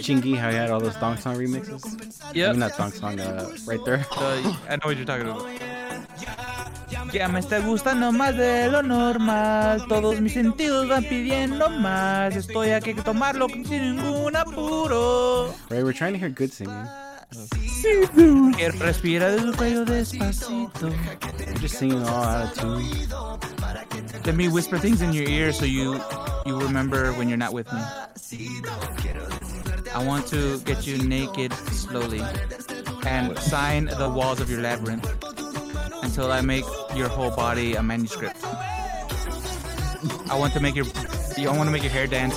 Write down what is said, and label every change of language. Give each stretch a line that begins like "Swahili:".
English: Chingy, how he had all those Donk Song remixes? Yep. I mean, that Donk Song right there. I know what you're talking about.
Spanish: Ya me está gustando más de lo normal. Todos mis sentidos van pidiendo más. Estoy aquí que tomarlo sin ningún apuro.
English: Ray, we're trying to hear good singing.
Spanish: Quiero respirar de su cuello despacito.
English: I'm just singing all out of tune. Let me whisper things in your ear so you remember when you're not with me. I want to get you naked slowly and sign the walls of your labyrinth. Until I make your whole body a manuscript. I want to make your hair dance.